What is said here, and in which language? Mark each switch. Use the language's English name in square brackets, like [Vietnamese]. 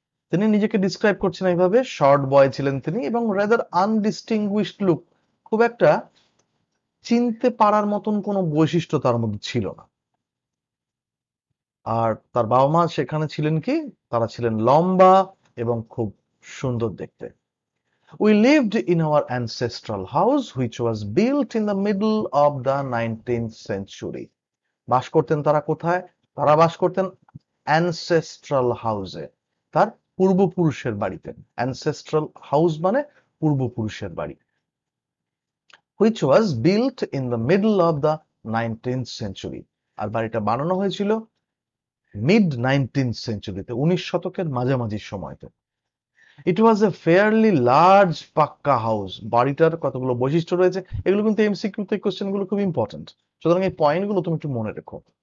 [Bangla] তিনি নিজেকে ডিসক্রাইব করছেন এইভাবে, [English] short boy [Bangla] ছিলেন তিনি এবং [English] rather undistinguished look, [Bangla] খুব একটা চিনতে পারার মতন কোনো বৈশিষ্ট্য তার মধ্যে ছিল না। আর তার বাবা মা সেখানে ছিলেন কি, তারা ছিলেন লম্বা এবং খুব সুন্দর দেখতে। [English] We lived in our ancestral house, which was built in the middle of the 19th century. [Bangla] বাস করতেন তারা কোথায়? তারা বাস করতেন ancestral house, তার পূর্বপুরুষের বাড়িতে। ancestral house মানে পূর্বপুরুষের বাড়ি। [English] Which was built in the middle of the 19th century. [Bangla] আর বাড়িটা বানানো হয়েছিল [English] mid 19th century [Bangla] তে, 19 শতকের মাঝামাঝি সময়তে। [English] It was a fairly large pucca house. [Bangla] বাড়িটার কতগুলো বৈশিষ্ট্য রয়েছে, এগুলো কিন্তু এমসিকিউ তে কোশ্চেন গুলো খুব ইম্পর্টেন্ট, সুতরাং এই পয়েন্ট গুলো তুমি একটু মনে রেখো।